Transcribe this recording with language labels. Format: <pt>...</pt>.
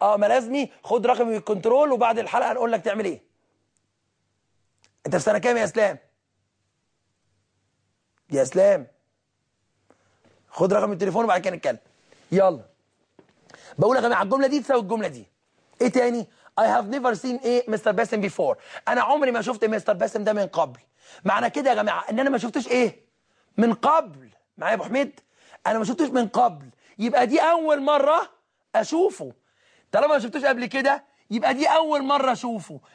<ar>ما لازمي، خد رقم الكنترول وبعد الحلقة هنقول لك تعمل ايه. انت في سنة كام يا اسلام؟ يا اسلام خد رقم التليفون وبعد كده نتكلم. يلا بقول يا جماعه الجمله دي تساوي الجمله دي. ايه تاني؟</ar> <en>I have never seen Mr.</en> <ar>Basim before. انا عمري ما شفت مستر باسم ده من قبل. معنى كده يا جماعه ان انا ما شفتش ايه؟ من قبل. معايا يا ابو حميد؟ انا ما شفتش من قبل، يبقى دي اول مره اشوفه. طالما ما شفتوش قبل كده يبقى دي أول مرة أشوفه.</ar>